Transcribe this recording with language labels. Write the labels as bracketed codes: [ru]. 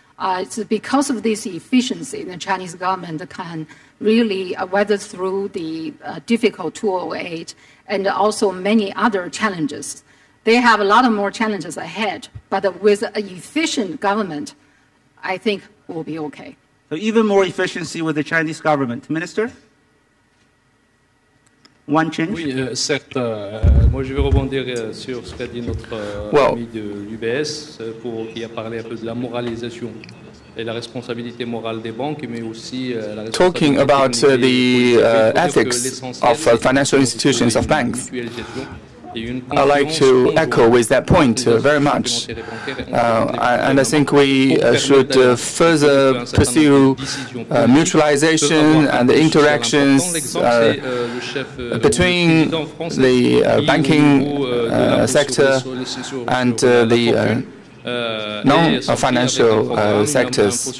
[en] It's because of this efficiency, the Chinese government can really weather through the difficult 2008 and also many other challenges. They have a lot of more challenges ahead, but with an efficient government, I think we'll be okay. So even more efficiency with the Chinese government. Minister? One change? [fr] Oui, certes. Moi, je vais rebondir sur ce qu'a dit notre ami de l'UBS, pour qui a parlé un peu de la moralisation et la responsabilité morale des banques, mais aussi la responsabilité. [en] Talking about the ethics of financial institutions of banks. I like to echo with that point very much, and I think we should further pursue mutualization and the interactions between the banking sector and the non-financial sectors.